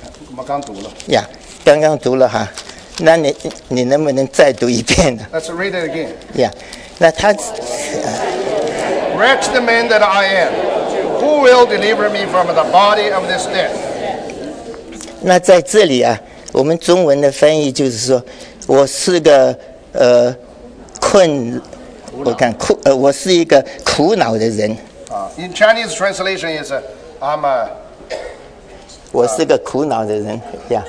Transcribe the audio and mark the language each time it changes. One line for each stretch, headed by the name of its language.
Chinese: 我们刚读了。呀，刚刚读了哈，那你能不能再读一遍呢
English: ？Let's read it again.
Chinese: 呀，那他。
English: Wretched man that I am, who will deliver me from the body of this death?
Chinese: 那在这里啊，我们中文的翻译就是说，我是个困，我看苦我是一个苦恼的人。
English: In Chinese translation is, I'm a.
Chinese: 我是个苦恼的人，呀。